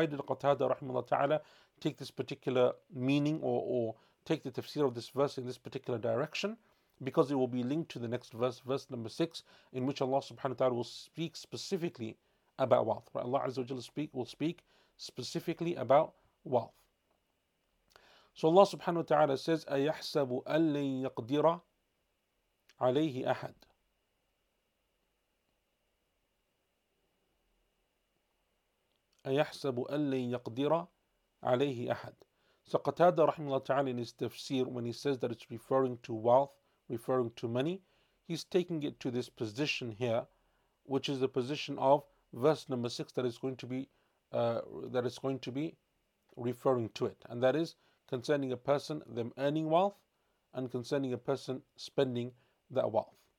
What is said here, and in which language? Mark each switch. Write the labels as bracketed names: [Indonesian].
[English] Why did Qatada rahimahullah ta'ala take this particular meaning or take the tafsir of this verse in this particular direction? Because it will be linked to the next verse, verse number 6, in which Allah subhanahu wa ta'ala will speak specifically about wealth, right? Allah Azza wa Jalla will speak specifically about wealth. So Allah subhanahu wa ta'ala says, [Arabic] أَيَحْسَبُ أَنْ لَنْ يَقْدِرَ عَلَيْهِ أَحَدٌ أَيَحْسَبُ أَنْ لَنْ يَقْدِرَ عَلَيْهِ أَحَدٌ. [English] So Qatada rahimahullah ta'ala, in his tafsir, when he says that it's referring to wealth, referring to money, he's taking it to this position here, which is the position of verse number 6 that is going to be referring to it, and that is concerning a person them earning wealth and concerning a person spending that wealth.